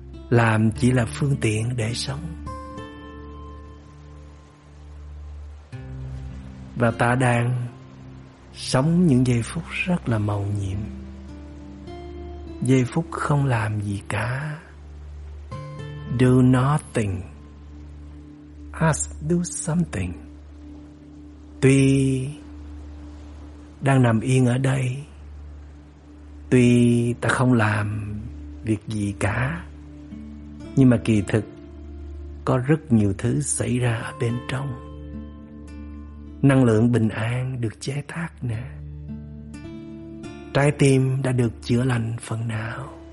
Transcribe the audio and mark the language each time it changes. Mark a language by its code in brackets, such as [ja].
[vi] Làm chỉ là phương tiện để sống. Và ta đang sống những giây phút rất là màu nhiệm, giây phút không làm gì cả. [en] Do nothing, ask do something. Tuy [vi] đang nằm yên ở đây. Tuy ta không làm việc gì cả, nhưng mà kỳ thực có rất nhiều thứ xảy ra ở bên trong. Năng lượng bình an được chế tác nè. Trái tim đã được chữa lành phần nào.